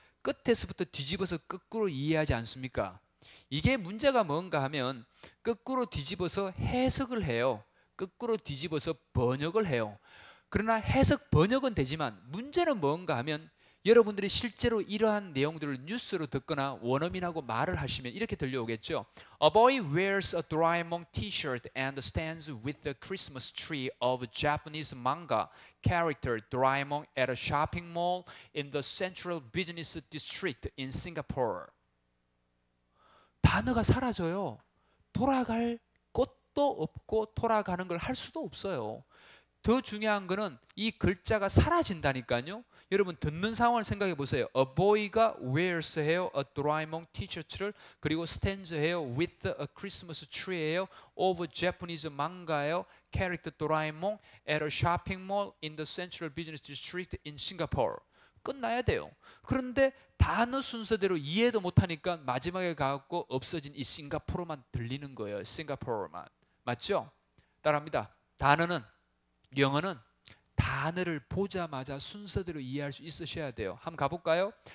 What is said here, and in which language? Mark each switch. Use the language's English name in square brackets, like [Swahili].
[Korean] 끝에서부터 뒤집어서 거꾸로 이해하지 않습니까? 이게 문제가 뭔가 하면 거꾸로 뒤집어서 해석을 해요. 거꾸로 뒤집어서 번역을 해요. 그러나 해석 번역은 되지만 문제는 뭔가 하면 여러분들이 실제로 이러한 내용들을 뉴스로 듣거나 원어민하고 말을 하시면 이렇게 들려오겠죠. [English] A boy wears a Doraemon t-shirt and stands with the Christmas tree of Japanese manga character Doraemon at a shopping mall in the Central Business District in Singapore. [Korean] 단어가 사라져요. 돌아갈 곳도 없고 돌아가는 걸할 수도 없어요. 더 중요한 거는 이 글자가 사라진다니까요. 여러분 듣는 상황을 생각해 보세요. A boy가 wears 해요. A Doraemon t-shirt를 그리고 stands 해요. With a Christmas tree 해요. Of Japanese manga 해요. [English] Character Doraemon at a shopping mall in the Central Business District in Singapore. [Korean] 끝나야 돼요. 그런데 단어 순서대로 이해도 못하니까 마지막에 가고 없어진 이 싱가포르만 들리는 거예요. 싱가포르만. 맞죠? 따라합니다. 단어는, 영어는 단어를 보자마자 순서대로 이해할 수 있으셔야 돼요. 한번 가볼까요?